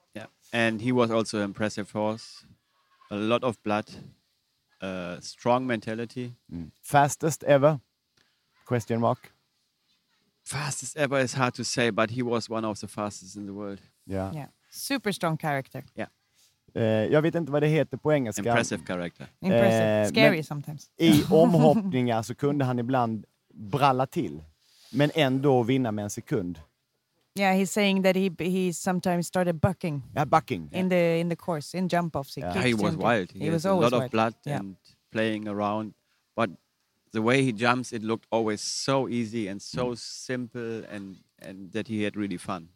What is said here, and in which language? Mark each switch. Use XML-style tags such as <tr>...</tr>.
<en>Yeah. And he was also an impressive horse. A lot of blood. Strong mentality. Mm. Fastest ever? Question mark. Fastest ever is hard to say, but he was one of the fastest in the world. Yeah. Yeah. Super strong character. Yeah.</en> <sv>Jag vet inte vad det heter på engelska.</sv> <en>Impressive character. Impressive. Scary sometimes.</en> <sv>I omhoppningar så kunde han ibland bralla till, men ändå vinna med en sekund.</sv> <en>Yeah, he's saying that he sometimes started bucking. Yeah, bucking. In the course, in jump offs. He was wild. He was always a lot of blood and playing around, but the way he jumps, it looked always so easy and so simple and that he had really fun.</en>